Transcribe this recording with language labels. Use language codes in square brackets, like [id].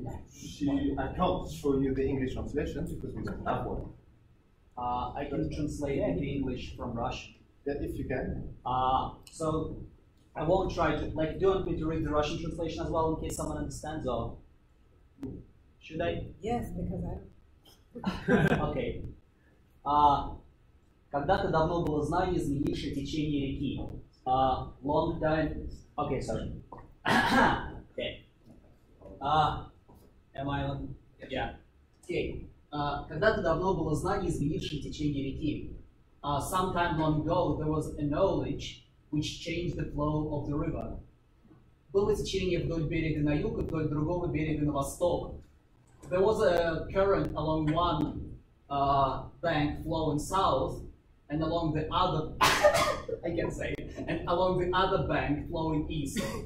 [en] she accounts for you the English translation because we don't have one. I can translate the English from Russian. Yeah, if you can. So I won't try to, like, do you want me to read the Russian translation as well in case someone understands, or should I? Yes, because I okay. [ru] Когда-то давно было знание, изменившее течение реки. [en] Long time... Okay, sorry. Am I on? Yeah. Okay. [ru] Когда-то давно было знание, изменившее течение реки. [en] Sometime long ago, there was a knowledge which changed the flow of the river. [ru] Было течение вдоль берега на юг и вдоль другого берега на восток. [en] There was a current along one bank flowing south, and along the other, I can say it, and along the other bank flowing east.